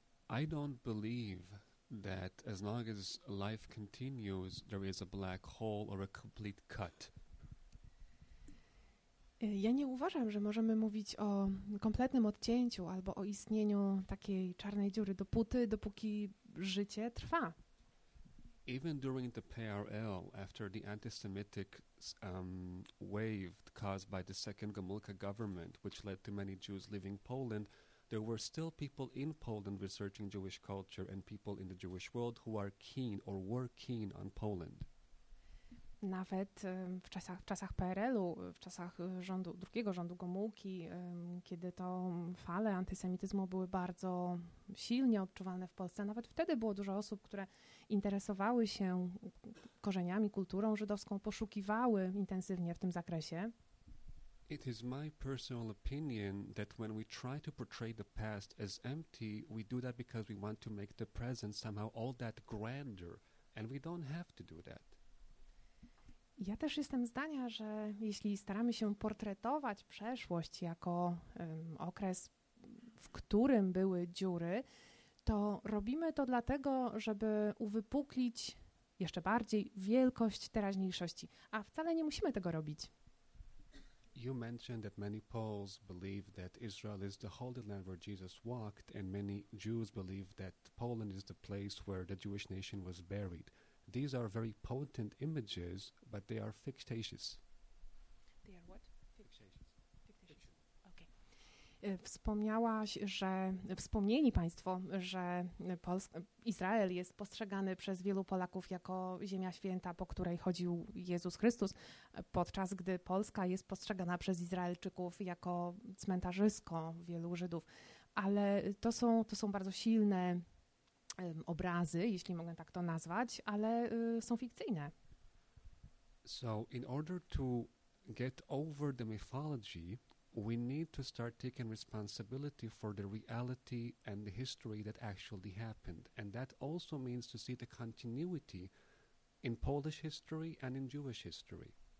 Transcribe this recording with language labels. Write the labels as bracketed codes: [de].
[en] I don't believe that as long as life continues, there is a black hole or a complete cut. [pl] Ja nie uważam, że możemy mówić o kompletnym odcięciu albo o istnieniu takiej czarnej dziury dopóki życie trwa. [en] Even during the PRL, after the anti-Semitic wave caused by the second Gomułka government, which led to many Jews leaving Poland, there were still people in Poland researching Jewish culture and people in the Jewish world who are keen or were keen on Poland. [pl] Nawet w czasach PRL-u, w czasach drugiego rządu Gomułki, kiedy to fale antysemityzmu były bardzo silnie odczuwalne w Polsce, nawet wtedy było dużo osób, które interesowały się korzeniami, kulturą żydowską, poszukiwały intensywnie w tym zakresie. [en] It is my personal opinion that when we try to portray the past as empty, we do that because we want to make the present somehow all that grander, and we don't have to do that. [pl] Ja też jestem zdania, że jeśli staramy się portretować przeszłość jako okres, w którym były dziury, to robimy to dlatego, żeby uwypuklić jeszcze bardziej wielkość teraźniejszości, a wcale nie musimy tego robić. [en] You mentioned that many Poles believe that Israel is the holy land where Jesus walked, and many Jews believe that Poland is the place where the Jewish nation was buried. These are very potent images, but they are fictitious. They are what? Fictitious. Okay. [pl] Wspomniałaś, że wspomnieli Państwo, że Izrael jest postrzegany przez wielu Polaków jako ziemia święta, po której chodził Jezus Chrystus, podczas gdy Polska jest postrzegana przez Izraelczyków jako cmentarzysko wielu Żydów. Ale to są bardzo silne obrazy, jeśli mogę tak to nazwać, ale są fikcyjne. [en] So in order to get over the mythology, we need to start taking responsibility for the reality and the history that actually happened. And that also means to see the continuity in Polish history and in Jewish history.